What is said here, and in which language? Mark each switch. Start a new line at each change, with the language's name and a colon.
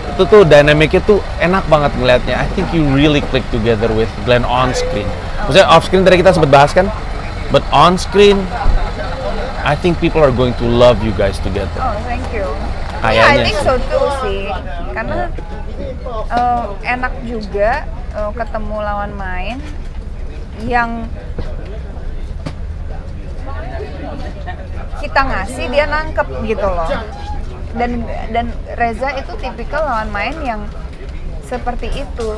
Indonesian: Itu tuh dynamic-nya tuh enak banget ngelihatnya.
English: I think you really click together with Glenn on screen.
Indonesian: Maksudnya off screen tadi kita sempat bahas kan,
English: but on screen, I think people are going to love you guys together. Oh, thank you.
Indonesian: Kayaknya.
English: Yeah, I think so too sih.
Indonesian: Karena enak juga ketemu lawan main yang kita ngasih dia nangkep gitu loh. Dan Reza itu tipikal lawan main yang seperti itu.